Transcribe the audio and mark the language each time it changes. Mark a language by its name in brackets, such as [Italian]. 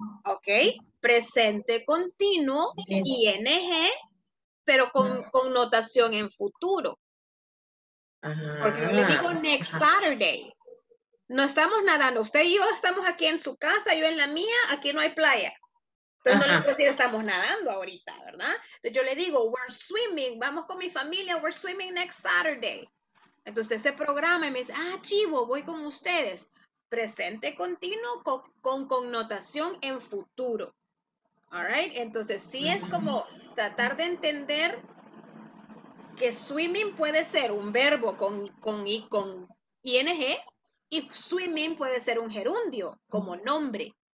[Spanish] Ok, presente continuo, ing, pero con connotación en futuro. Ajá, porque yo le digo [English] next Saturday. [Spanish] No estamos nadando. Usted y yo estamos aquí en su casa, yo en la mía, aquí no hay playa. Entonces no le puedo decir estamos nadando ahorita, ¿verdad? Entonces yo le digo, [English] we're swimming, [Spanish] vamos con mi familia, [English] we're swimming next Saturday. [Spanish] Entonces se programa y me dice, ah, chivo, voy con ustedes. Presente continuo con connotación en futuro. All right, entonces sí es como tratar de entender que swimming puede ser un verbo con ing y swimming puede ser un gerundio como nombre.